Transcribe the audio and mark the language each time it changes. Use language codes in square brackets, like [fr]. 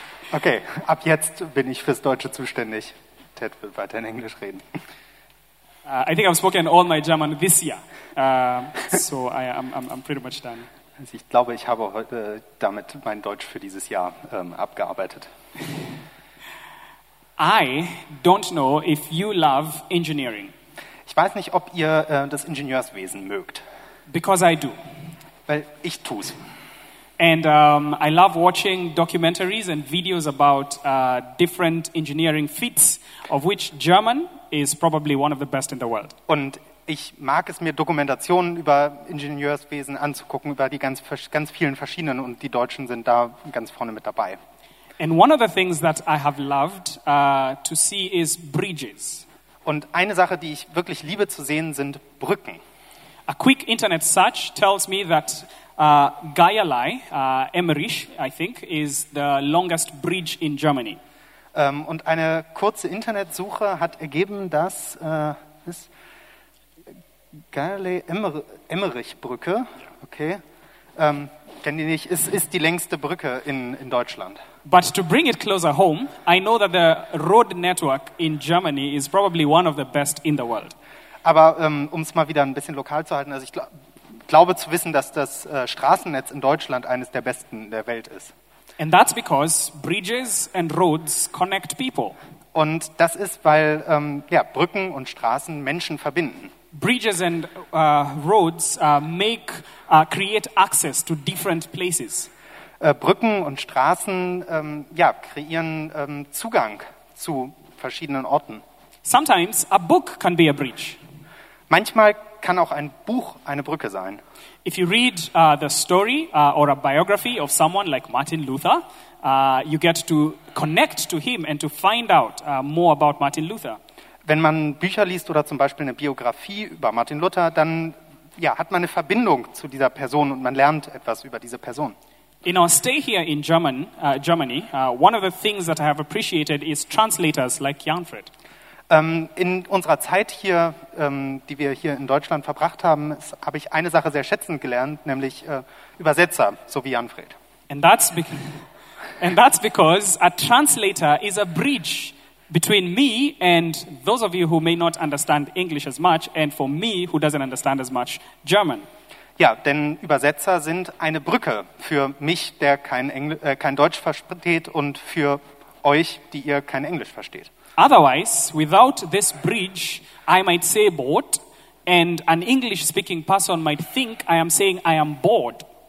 [de] Okay, ab jetzt bin ich fürs Deutsche zuständig. Ted wird weiter in Englisch reden. [en] I think I've spoken all my German this year. So I'm pretty much done. [de] Also ich glaube, ich habe heute damit mein Deutsch für dieses Jahr abgearbeitet. [en] I don't know if you love engineering. [de] Ich weiß nicht, ob ihr das Ingenieurswesen mögt. [en] Because I do. [de] Weil ich tu's. [en] And I love watching documentaries and videos about different engineering feats, of which German is probably one of the best in the world. [de] Und ich mag es mir, Dokumentationen über Ingenieurswesen anzugucken, über die ganz vielen verschiedenen, und die Deutschen sind da ganz vorne mit dabei. [en] And one of the things that I have loved to see is bridges. [de] Und eine Sache, die ich wirklich liebe zu sehen, sind Brücken. [en] A quick internet search tells me that Gaierlei, Emmerich, I think, is the longest bridge in Germany. [de] Und eine kurze Internetsuche hat ergeben, dass das Gaierlei-Emmerich-Brücke, okay, kenne ich nicht, ist die längste Brücke in Deutschland. [en] But to bring it closer home, I know that the road network in Germany is probably one of the best in the world. [de] Aber um es mal wieder ein bisschen lokal zu halten, also ich glaube zu wissen, dass das Straßennetz in Deutschland eines der besten der Welt ist. [en] And that's because bridges and roads connect people. [de] Und das ist, weil Brücken und Straßen Menschen verbinden. [en] Bridges and roads make create access to different places. [de] Brücken und Straßen kreieren Zugang zu verschiedenen Orten. [en] Sometimes a book can be a bridge. [de] Manchmal kann auch ein Buch eine Brücke sein. [en] If you read the story or a biography of someone like Martin Luther, you get to connect to him and to find out more about Martin Luther. [de] Wenn man Bücher liest oder zum Beispiel eine Biografie über Martin Luther, dann hat man eine Verbindung zu dieser Person und man lernt etwas über diese Person. [en] In our stay here in Germany, one of the things that I have appreciated is translators like Janfried. [de] In unserer Zeit hier, die wir hier in Deutschland verbracht haben, habe ich eine Sache sehr schätzend gelernt, nämlich Übersetzer, so wie Janfried. [en] And that's because a translator is a bridge between me and those of you who may not understand English as much and for me who doesn't understand as much German. [de] Ja, denn Übersetzer sind eine Brücke für mich, der kein Deutsch versteht, und für euch, die ihr kein Englisch versteht. [en] Otherwise, without this bridge, I might say bored, and an English-speaking person might think I am saying I am bored.